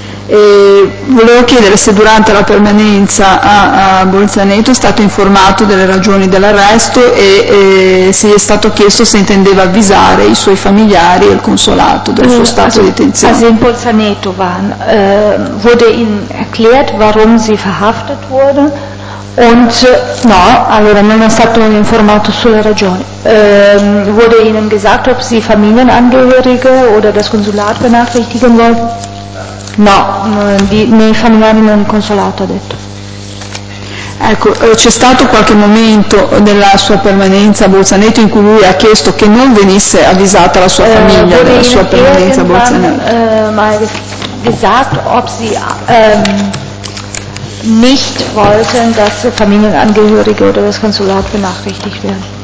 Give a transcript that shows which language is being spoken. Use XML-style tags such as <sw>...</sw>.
<it>E volevo chiedere se durante la permanenza a Bolzaneto è stato informato delle ragioni dell'arresto e se gli è stato chiesto se intendeva avvisare i suoi familiari e il consolato del suo stato di detenzione.</it> <de>Als sie in Bolzaneto waren, wurde ihnen erklärt, warum sie verhaftet wurde?</de> <it>Und no, allora non è stato informato sulle ragioni.</it> <de>Wurde ihnen gesagt, ob sie Familienangehörige oder das Konsulat benachrichtigen wollen?</de> <it>No, nei familiari non consolato, ha detto. Ecco, c'è stato qualche momento nella sua permanenza a Bolzaneto in cui lui ha chiesto che non venisse avvisata la sua famiglia della sua permanenza a Bolzaneto.</it> <de>Ob sie nicht wollten, dass Familienangehörige oder das Konsulat benachrichtigt werden.</de>